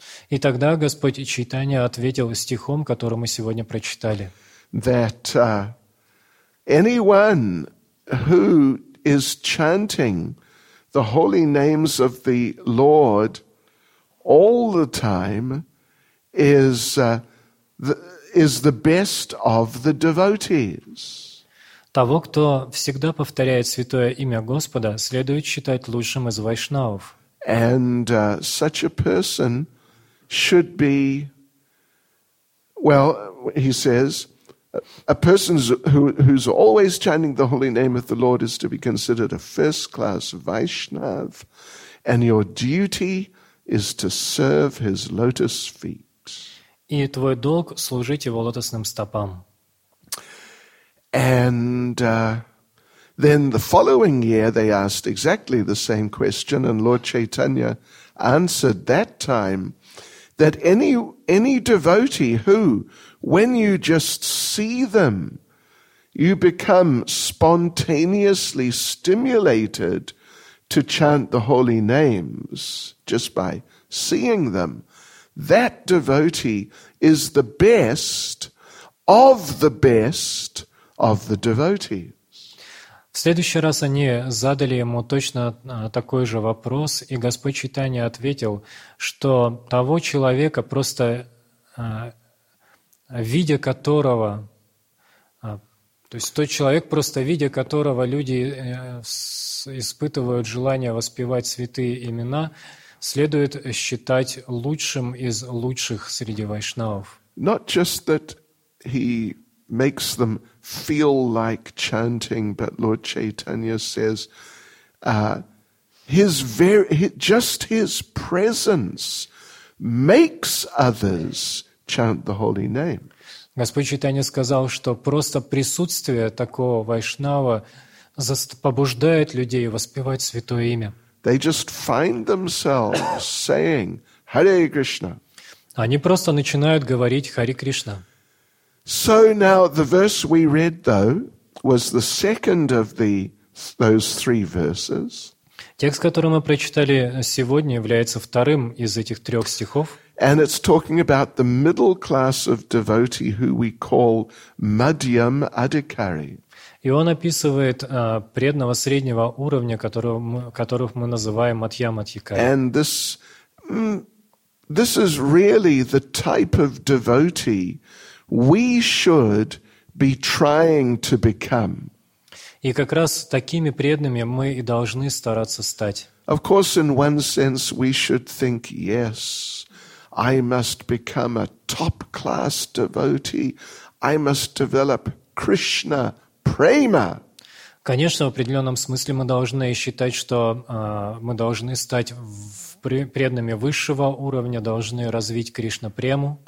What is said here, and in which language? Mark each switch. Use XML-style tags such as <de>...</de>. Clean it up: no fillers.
<ru>И тогда Господь Чайтанья ответил стихом, который мы сегодня прочитали.</ru> <en>That anyone who is chanting the holy names of the Lord all the time is the best of the devotees.</en> <ru>Того, кто всегда повторяет святое имя Господа, следует считать лучшим из вайшнавов.</ru> <en>And such a person should be, well, he says, a person who's always chanting the holy name of the Lord is to be considered a first-class Vaishnav, and your duty is to serve his lotus feet.</en> <ru>И твой долг – служить его лотосным стопам.</ru> <en>And then the following year they asked exactly the same question, and Lord Chaitanya answered that time that any devotee who, when you just see them, you become spontaneously stimulated to chant the holy names just by seeing them, that devotee is the best of the best of the devotees.</en> <ru>В следующий раз они задали ему точно такой же вопрос, и Господь Чайтанья ответил, что того человека, просто видя которого, то есть тот человек, просто видя которого люди испытывают желание воспевать святые имена, следует считать лучшим из лучших среди вайшнавов.</ru> <en>Not just that he makes them feel like chanting, but Lord Chaitanya says, just his presence makes others chant the holy name.</en> <ru>Господь Чайтанья сказал, что просто присутствие такого вайшнава побуждает людей воспевать святое имя.</ru> <en>They just find themselves saying Hare Krishna.</en> <ru>Они просто начинают говорить Хари Кришна.</ru> <en>So now the verse we read though was the second of those three verses.</en> <ru>Текст, который мы прочитали сегодня, является вторым из этих трех стихов.</ru> <en>And it's talking about the middle class of devotee who we call Madhyam Adhikari.</en> <ru>И он описывает преданного среднего уровня, которых мы называем Мадхьям Адхикари.</ru> <en>And this This is really the type of devotee we should be trying to become.</en> <ru>И как раз такими преданными мы и должны стараться стать.</ru> <en>Of course, in one sense, we should think, yes, I must become a top-class devotee. I must develop Krishna prema.</en> <ru>Конечно, в определенном смысле мы должны считать, что мы должны стать преданными высшего уровня, должны развить Кришна прему.</ru>